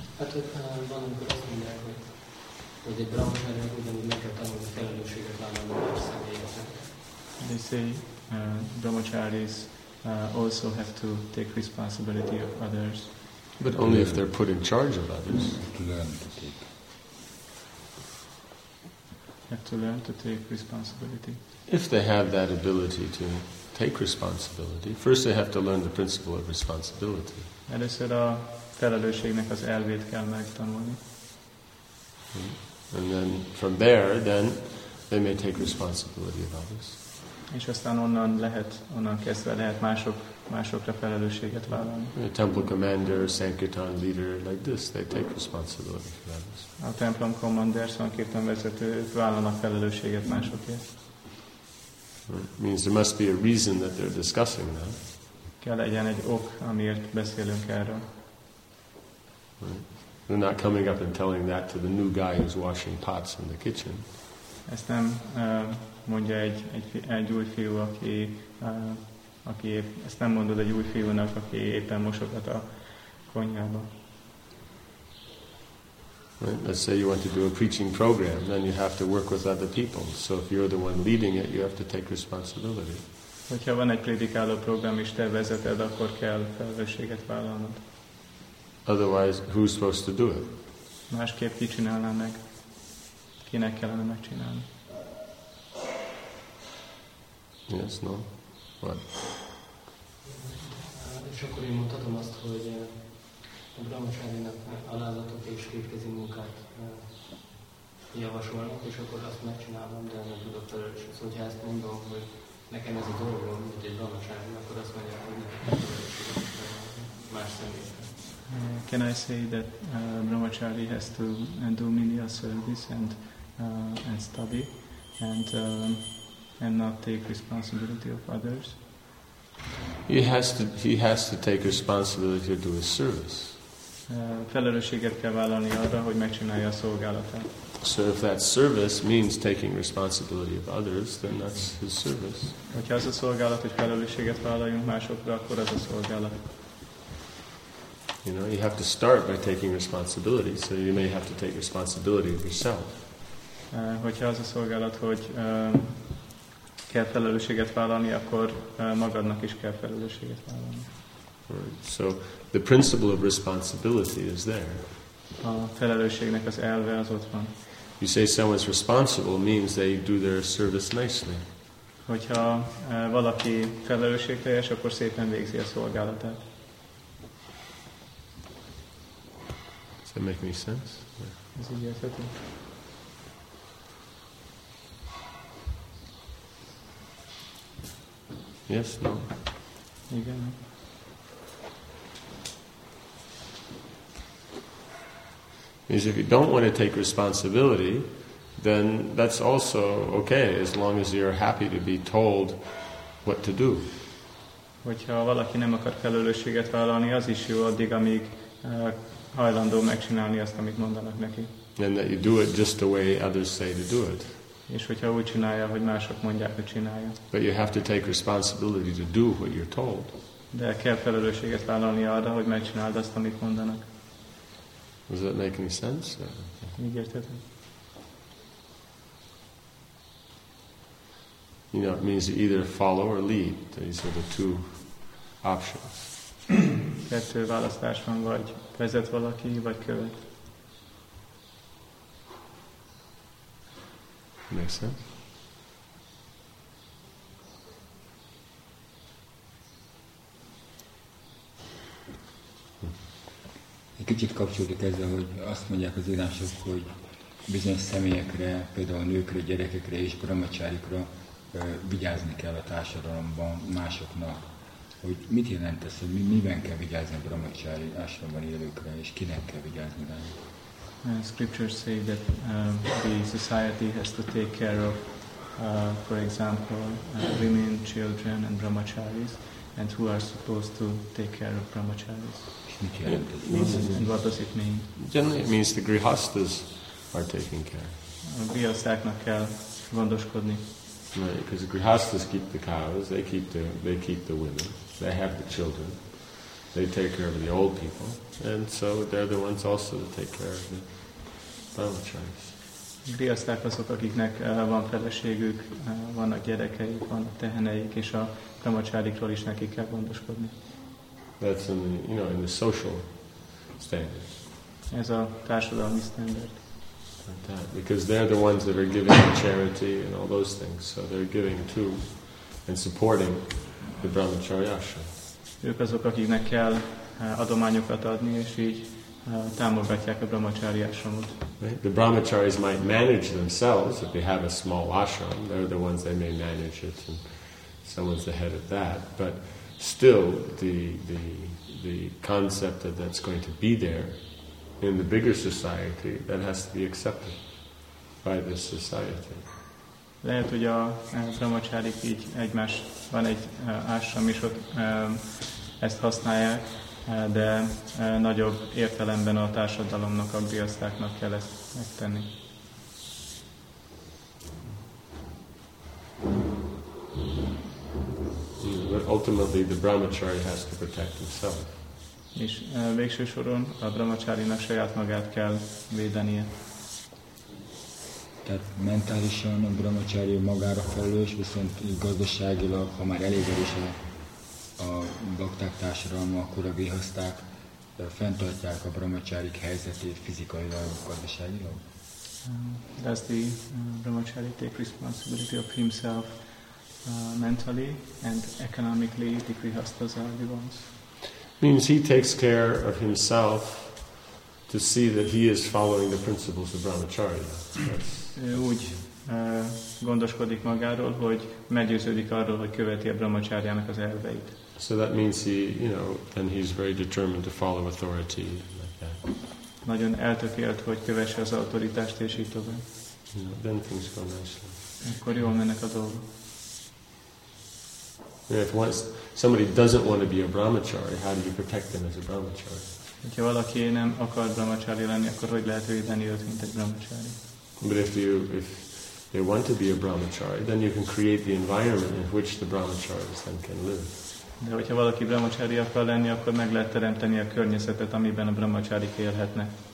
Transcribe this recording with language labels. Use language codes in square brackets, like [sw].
[hu] Hát ott van, amikor azt mondják, hogy egy brahmacharya ugyanúgy meg kell tanulni felelősséget vállalni más személyeknek. [en] They say brahmacharis also have to take responsibility of others. But only if they're put in charge of others. To learn to take. have to learn to take responsibility. If they have that ability to take responsibility, first they have to learn the principle of responsibility. [hu] Először a felelősségnek az elvét kell megtanulni. [en] And then from there, then they may take responsibility of others. [hu] És aztán onnan lehet, onnan kezdve lehet másokra felelősséget vállalni. [en] A temple commander, sankirtan leader, like this, they take responsibility for others. [hu] A templom commander, sankirtan vezető, vállalnak felelősséget másokért. [en] Means there must be a reason that they're discussing that. [hu] Kell legyen egy ok, amiért beszélünk erről. [en] Right. They're not coming up and telling that to the new guy who's washing pots in the kitchen. [hu] Ezt nem mondja egy új fiú, aki ezt nem mondod egy új fiúnak, aki éppen mosogat a konyhába. [en] Right. Let's say you want to do a preaching program, then you have to work with other people. So if you're the one leading it, you have to take responsibility. [hu] Hogyha van egy prédikáló program és te vezeted, akkor kell felelősséget vállalnod. [en] Otherwise, who's supposed to do it? [hu] Másképp ki csinálná meg? Kinek kellene megcsinálni? [en] Yes, no? What? [hu] És akkor én mutatom azt, hogy a brahmacharinak alázatot és képkezi munkát javasolnak, és akkor azt megcsinálom, de nem tudok felelősség. Szóval, hogyha ezt mondom, hogy nekem ez a dolgom, mint egy brahmacharin, akkor azt mondja, hogy nem tudom más személyre. [en] Can I say that Brahmachari has to do menial service and study and not take responsibility of others? He has to take responsibility to do his service. [hu] Felelősséget kell vállalni arra, hogy megcsinálja a szolgálatát. [en] So if that service means taking responsibility of others, then that's his service. [hu] Hogyha az a szolgálat, hogy felelősséget vállaljunk másokra, akkor az a szolgálat. [en] You know, you have to start by taking responsibility, so you may have to take responsibility of yourself. [hu] Hogyha az a szolgálat, hogy kell felelősséget vállalni, akkor magadnak is kell felelősséget vállalni. [en] Right. So the principle of responsibility is there. [hu] A felelősségnek az elve az ott van. [en] You say someone's responsible means they do their service nicely. [hu] Hogyha valaki felelősségteljes, akkor szépen végzi a szolgálatát. [en] That make any sense? Is it yes, okay. Yes, no. Again. Means if you don't want to take responsibility, then that's also okay as long as you're happy to be told what to do. [hu] Hogyha valaki nem akar felelősséget vállalni, az is jó addig, amíg hajlandó megcsinálni azt, amit mondanak neki. [en] And that you do it just the way others say to do it. [hu] És hogyha úgy csinálja, hogy mások mondják, hogy csinálja. [en] But you have to take responsibility to do what you're told. [hu] De kell felelősséget vállalni arra, hogy megcsináld azt, amit mondanak. [en] Does that make any sense? [hu] Így értetem. [en] You know, it means you either follow or lead. These are the two options. [hu] Kettő választás van, vagy vezet valaki, vagy követ. [en] Make sense? [hu] Egy kicsit kapcsolódik ezzel, hogy azt mondják az írások, hogy bizonyos személyekre, például a nőkre, gyerekekre és brahmacharikra vigyázni kell a társadalomban másoknak. Hogy mit jelent ez, hogy miben kell vigyázni a brahmacsári ásramban élőkre, és kinek kell vigyázni rá? [en] Scriptures say that the society has to take care of, for example, women, children, and brahmacharis, and who are supposed to take care of brahmacharis. [hu] És mit jelent ez? [en] And what does it mean? Generally it means the grihasthas are taking care. [hu] A grihasztáknak kell gondoskodni. [en] Right, because the grihasthas keep the cows, they keep the women, they have the children, they take care of the old people, and so they're the ones also to take care of the brahmacharis. [hu] Grihaszták azok, akiknek van feleségük, vannak gyerekeik, vannak teheneik, és a brahmacharikról is nekik kell gondoskodni. [en] That's in the, you know, in the social standard. [hu] Ez a társadalmi standard. [en] like that, because they're the ones that are giving the charity and all those things, so they're giving to and supporting the brahmacharya ashram. [hu] Ők azok, akiknek kell adományokat adni, és így támogatják a brahmacharya ashramot. [en] The brahmacharis might manage themselves if they have a small ashram. They're the ones that may manage it, and someone's the head of that. But still, the concept that that's going to be there in the bigger society, that has to be accepted by this society. [hu] Lehet, hogy a brahmacharik így egymás, van egy ashram, és ott ezt használják, de nagyobb értelemben a társadalomnak, a griasztáknak kell ezt megtenni. [en] But ultimately the brahmachari has to protect himself. [hu] És végső soron a brahmacharinak saját magát kell védenie. Tehát mentálisan a brahmacharya magára felelős, viszont gazdaságilag, ha már elég erős a bakták társadalma, akkor a vihaszták fenntartják a brahmacharik helyzetét fizikailag, gazdaságilag? [en] Does the brahmachari take responsibility of himself mentally and economically, the vihasthas are the ones? Means he takes care of himself to see that he is following the principles of brahmacharya. [hu] Úgy gondoskodik magáról, hogy meggyőződik arról, hogy követi a brahmacharyának az elveit. [en] So that means he, you know, then he's very determined to follow authority. [hu] Nagyon eltökélt, hogy kövesse az autoritást, és így tovább. [en] Then things go nicely. [hu] Akkor jól mennek a dolgok. [en] If somebody doesn't want to be a brahmachari, how do you protect them as a brahmachari? [hu] Hogyha valaki nem akar brahmachari lenni, akkor hogy lehet védeni őt, mint egy brahmachari? [en] But if they want to be a brahmachari, then you can create the environment in which the brahmacharis then can live. [hu] De hogyha valaki brahmachari akar lenni, akkor meg lehet teremteni a környezetet, amiben a brahmacharik élhetnek.